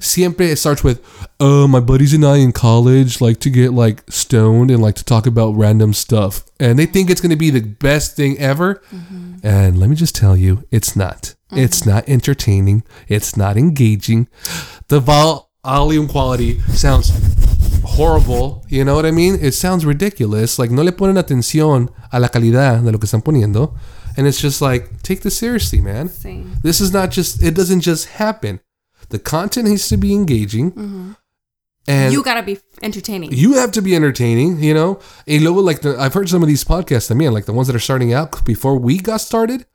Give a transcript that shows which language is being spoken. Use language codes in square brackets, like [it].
[en] Siempre it starts with, oh, my buddies and I in college like to get like stoned and like to talk about random stuff. And they think it's going to be the best thing ever. Mm-hmm. And let me just tell you, it's not. Mm-hmm. It's not entertaining. It's not engaging. The volume quality sounds horrible, you know what I mean? It sounds ridiculous. [es] Like, no le ponen atención a la calidad de lo que están poniendo. [en] And it's just like, take this seriously, man. Same. This is not just, it doesn't just happen. The content needs to be engaging. Mm-hmm. And you gotta be entertaining. You have to be entertaining, you know? And luego, like, I've heard some of these podcasts, I mean, like the ones that are starting out before we got started.